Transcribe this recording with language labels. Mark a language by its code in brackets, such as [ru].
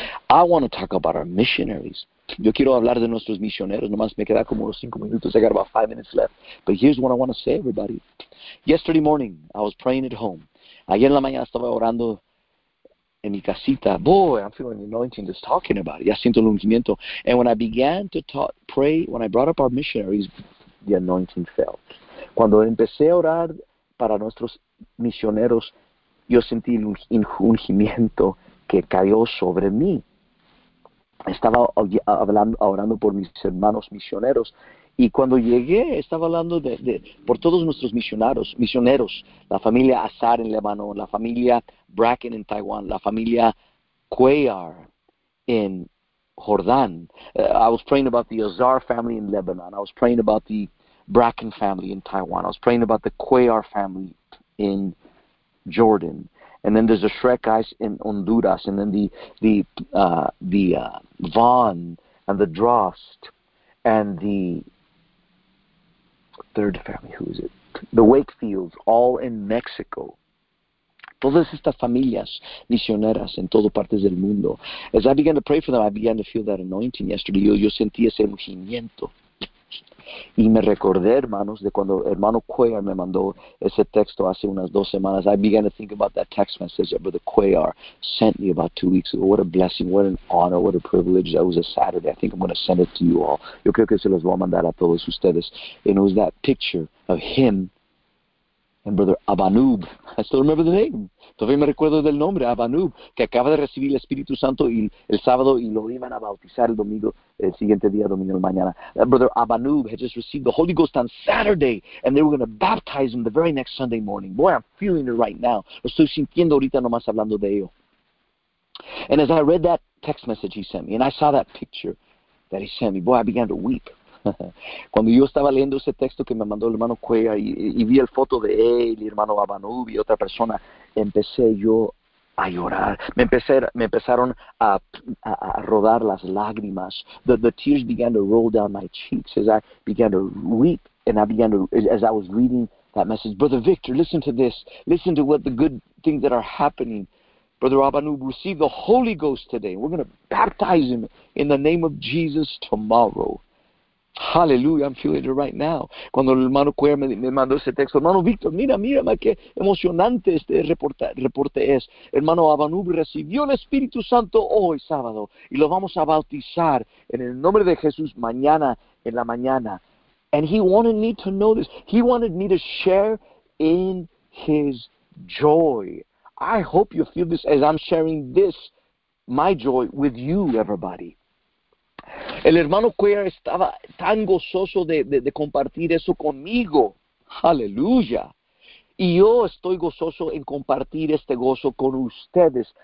[en] I want to talk about our missionaries. [es] Yo quiero hablar de nuestros misioneros. Nomás me queda como unos 5 minutos. [en] I got about 5 minutes left. But here's what I want to say, everybody. Yesterday morning, I was praying at home. [es] Ayer en la mañana estaba orando en mi casita. [en] Boy, I'm feeling the anointing just talking about it. [es] Ya siento el ungimiento. [en] And when I began to talk, pray, when I brought up our missionaries, the anointing fell. [es] Cuando empecé a orar para nuestros misioneros, yo sentí un ungimiento que cayó sobre mí. Estaba hablando, orando por mis hermanos misioneros. Y cuando llegué, estaba hablando por todos nuestros misioneros, la familia Azar en Lebanon, la familia Bracken en Taiwán, la familia Cuellar en Jordán. [en] I was praying about the Azar family in Lebanon. I was praying about the Bracken family in Taiwán. I was praying about the Cuellar family in Jordan. And then there's the Shrek guys in Honduras. And then the Vaughn and the Drost and the third family, who is it? The Wakefields, all in Mexico. [es] Todas estas familias misioneras en todas partes del mundo. [en] As I began to pray for them, I began to feel that anointing yesterday. [es] Yo sentí ese ungimiento. Y me recordé, hermanos, de cuando hermano Cuellar me mandó ese texto hace unas 2 semanas. [en] I began to think about that text message that Brother Cuellar sent me about 2 weeks ago. What a blessing, what an honor, what a privilege. That was a Saturday. I think I'm going to send it to you all. [es] Yo creo que se los voy a mandar a todos ustedes. [en] And it was that picture of him and Brother Abanub. I still remember the name. [es] Todavía me recuerdo del nombre, Abanub, que acaba de recibir el Espíritu Santo el sábado y lo iban a bautizar el domingo, el siguiente día, domingo mañana. [en] Brother Abanub had just received the Holy Ghost on Saturday and they were going to baptize him the very next Sunday morning. Boy, I'm feeling it right now. [es] Lo estoy sintiendo ahorita nomás hablando de ello. [en] And as I read that text message he sent me and I saw that picture that he sent me, boy, I began to weep. [es] Cuando yo estaba leyendo ese texto que me mandó el hermano Cuella y vi el foto de él, el hermano Abanub y otra persona, empecé yo a llorar. Me empezaron a rodar las lágrimas. [en] The tears began to roll down my cheeks as I began to weep and I began to, as I was reading that message. Brother Victor, listen to this. Listen to what the good things that are happening. Brother Abanub received the Holy Ghost today. We're going to baptize him in the name of Jesus tomorrow. Hallelujah, I'm feeling it right now. [es] Cuando el hermano Cuer me mandó ese texto, hermano Víctor, mira, mira, ma, qué emocionante este reporte es. Hermano Abanub recibió el Espíritu Santo hoy sábado y lo vamos a bautizar en el nombre de Jesús mañana en la mañana. [en] And he wanted me to know this. He wanted me to share in his joy. I hope you feel this as I'm sharing this, my joy, with you, everybody. [es] El hermano Cuellar estaba tan gozoso de compartir eso conmigo. Aleluya. Y yo estoy gozoso en compartir este gozo con ustedes.